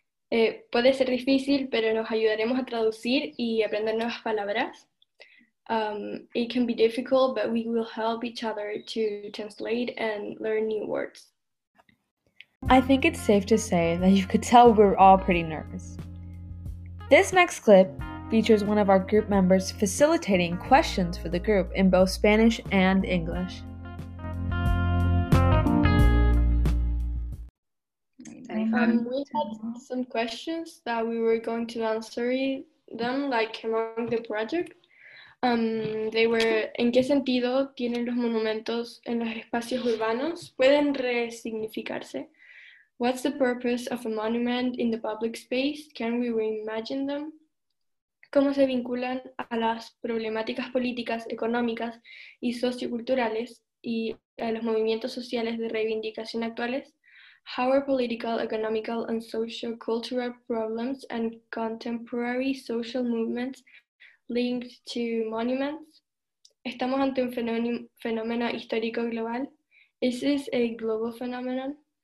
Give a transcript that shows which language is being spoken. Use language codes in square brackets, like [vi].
[es] Puede ser difícil, pero nos ayudaremos a traducir y aprender nuevas palabras. [en] It can be difficult, but we will help each other to translate and learn new words. I think it's safe to say that you could tell we're all pretty nervous. This next clip features one of our group members facilitating questions for the group in both Spanish and English. We had some questions that we were going to answer them, like among the project. They were, [es] ¿en qué sentido tienen los monumentos en los espacios urbanos? ¿Pueden resignificarse? [en] What's the purpose of a monument in the public space? Can we reimagine them? [es] ¿Cómo se vinculan a las problemáticas políticas, económicas y socioculturales y a los movimientos sociales de reivindicación actuales? [en] How are political, economical, and socio-cultural problems and contemporary social movements linked to monuments? [es] ¿Estamos ante un fenómeno histórico global? [en] Is this a global phenomenon?